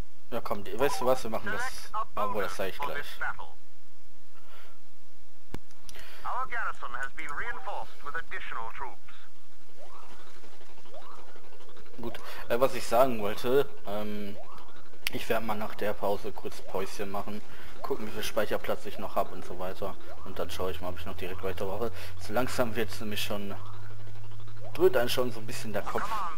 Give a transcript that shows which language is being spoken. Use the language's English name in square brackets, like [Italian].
[German] Ja komm, weißt du was, wir machen das, obwohl das zeige ich gleich. [English] Our garrison has been reinforced with additional troops. [German] Gut, was ich sagen wollte, ich werde mal nach der Pause kurz Päuschen machen, gucken wie viel Speicherplatz ich noch habe und so weiter. Und dann schaue ich mal, ob ich noch direkt weiter brauche. So langsam wird es nämlich schon, drückt einen schon so ein bisschen der Kopf.